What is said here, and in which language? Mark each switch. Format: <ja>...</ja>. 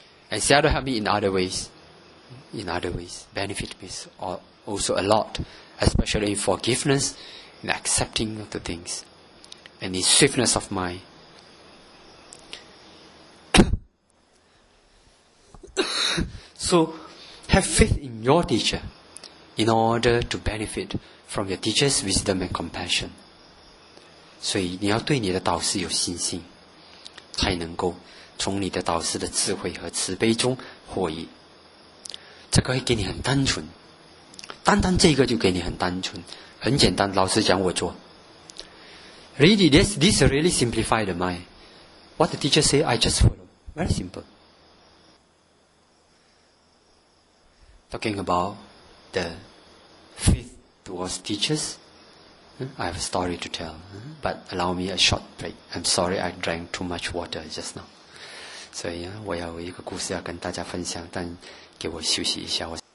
<en>And Seattle helped me in other ways, benefit me also a lot, especially in forgiveness, in accepting of the things, and in swiftness of mind. So, have faith in your teacher in order to benefit from your teacher's wisdom and compassion.</en> <zh>所以你要对你的导师有信心，才能够从你的导师的智慧和慈悲中获益。这个会给你很单纯，单单这个就给你很单纯，很简单，老师讲我做。</zh> <en>Really, this really simplified the mind. What the teacher say, I just follow. Very simple. Talking about the faith towards teachers, I have a story to tell. But allow me a short break. I'm sorry I drank too much water just now.</en> <zh>所以我要有一个故事要跟大家分享，但给我休息一下。</zh>